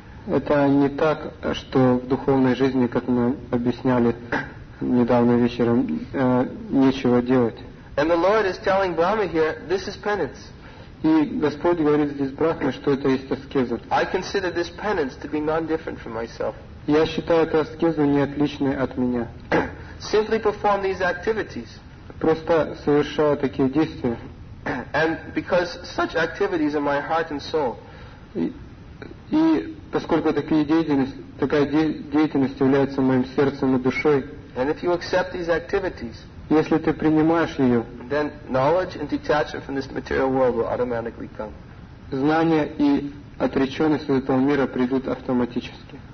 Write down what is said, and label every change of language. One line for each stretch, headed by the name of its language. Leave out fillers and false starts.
Russian: Это не так, что в духовной жизни, как мы объясняли недавно вечером, нечего делать.
English: And the Lord is telling Brahma here, this is penance.
Russian: И Господь говорит здесь Брахме, что это есть аскеза.
English: I consider this penance to be non-different from myself.
Russian: Я считаю эту аскезу неотличной от меня.
English: Simply perform these activities.
Russian: Просто совершаю такие действия.
English: And because such activities are my heart and soul.
Russian: И поскольку такая деятельность является моим сердцем и душой.
English: And if you accept these activities,
Russian: если ты принимаешь ее,
English: then knowledge and detachment from this material world will automatically come.
Russian: Знание и отреченность от этого мира придут автоматически.